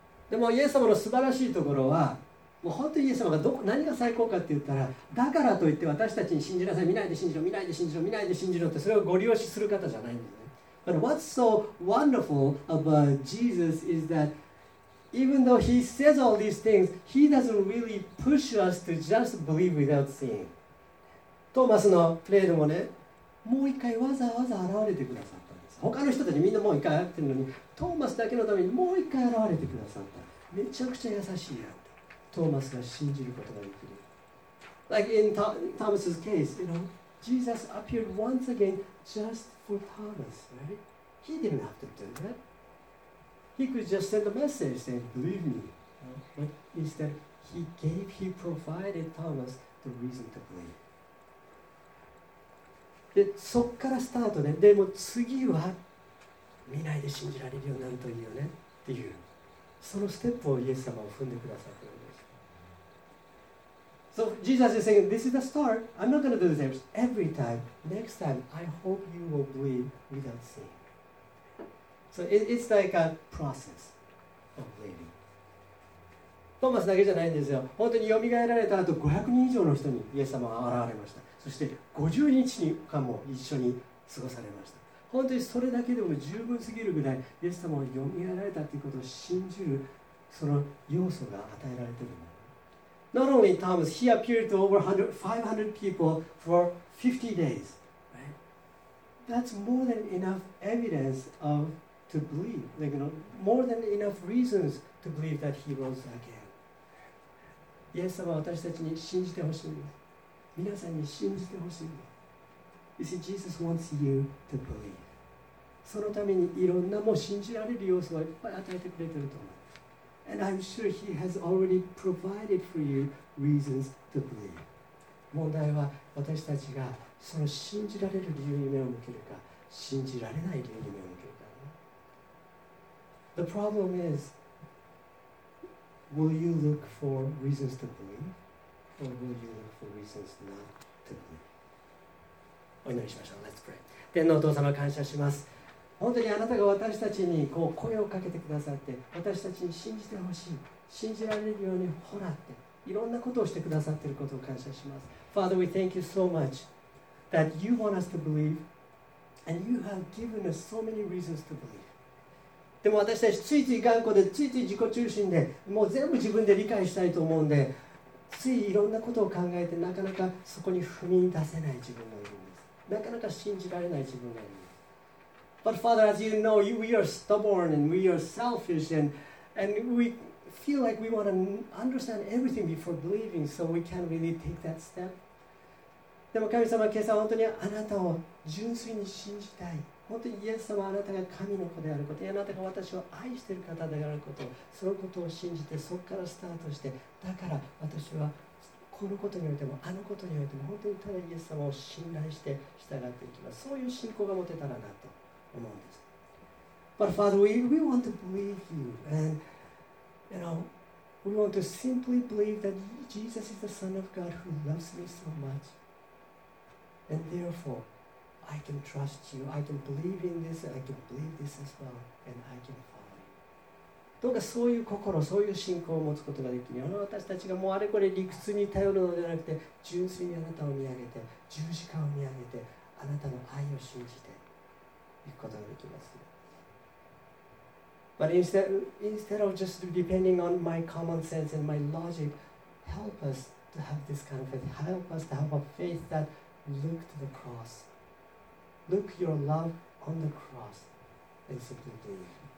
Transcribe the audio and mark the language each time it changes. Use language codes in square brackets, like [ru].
[ja] でもイエス様の素晴らしいところは、もう本当にイエス様がど何が最高かって言ったら、だからといって私たちに信じなさい、見ないで信じろ、見ないで信じろ、見ないで信じろってそれをご利用しする方じゃないんです。 [en] But what's so wonderful about Jesus is that even though he says all these things, he doesn't really push us to just believe without seeing. [ja] トーマスのプレイドもね、もう一回わざわざ現れてくださったんです。他の人たちみんなもう一回会ってるのに、トーマスだけのためにもう一回現れてくださった。めちゃくちゃ優しいやん。トーマスが信じることができる。 [en] Like in Thomas's case, you know, Jesus appeared once again just for Thomas, right? He didn't have to do that. He could just send a message saying, believe me. But instead, he provided Thomas the reason to believe. [ja] で、そこからスタートね。でも次は、見ないで信じられるようになるといいよねっていう、そのステップをイエス様を踏んでくださってるんです。 [en] So Jesus is saying, this is the start. I'm not going to do the same every time. Next time, I hope you will believe without seeing. So it's like a process of believing. [ja] トーマスだけじゃないんですよ。本当によみがえられた後、500人以上の人にイエス様が現れました。そして50日間も一緒に過ごされました。本当にそれだけでも十分すぎるぐらい、イエス様がよみがえられたということを信じるその要素が与えられているの。 [en] Not only Thomas, he appeared to over 500 people for 50 days. That's more than enough evidence to believe. Like, you know, more than enough reasons to believe that he rose again. [ja] イエス様は私たちに信じてほしいんです。皆さんに信じてほしいんです。 [en] You see, Jesus wants you to believe. [ja] そのためにいろんなもう信じられる要素をいっぱい与えてくれてると思う。 [en] And I'm sure he has already provided for you reasons to believe. [ja] 問題は私たちがその信じられる理由に目を向けるか、信じられない理由に目を向けるか。 [en] The problem is, will you look for reasons to believe, or will you look for reasons not to believe? [ja] お祈りしましょう。 [en] Let's pray. [ja] 天のお父様、感謝します。本当にあなたが私たちにこう声をかけてくださって、私たちに信じてほしい、信じられるようにほらって、いろんなことをしてくださっていることを感謝します。 [en] Father, we thank you so much that you want us to believe, and you have given us so many reasons to believe. [ja] でも私たちついつい頑固でついつい自己中心でもう全部自分で理解したいと思うんでついいろんなことを考えてなかなかそこに踏み出せない自分がいるんです。なかなか信じられない自分がいるんです。 [en] But Father, as you know, we are stubborn and we are selfish and we feel like we want to understand everything before believing so we can't really take that step. [ja] でも神様、今朝本当にあなたを純粋に信じたい。本当にイエス様はあなたが神の子であること、あなたが私を愛している方であること、そのことを信じてそこからスタートして、だから私はこのことにおいてもあのことにおいても本当にただイエス様を信頼して従っていきます。そういう信仰が持てたらなと思うんです。 [en] But Father, we want to believe you and we want to simply believe that Jesus is the Son of God who loves me so much and therefore. I can trust you. I can believe in this. I can believe this as well. And I can follow. [ja] どうかそういう心、そういう信仰を持つことができるように、私たちがもうあれこれ理屈に頼るのではなくて、純粋にあなたを見上げて、十字架を見上げて、あなたの愛を信じていくことができます。 [en] But instead of just depending on my common sense and my logic, help us to have this kind of faith. Help us to have a faith that look to the cross. Look your love on the cross and simply believe.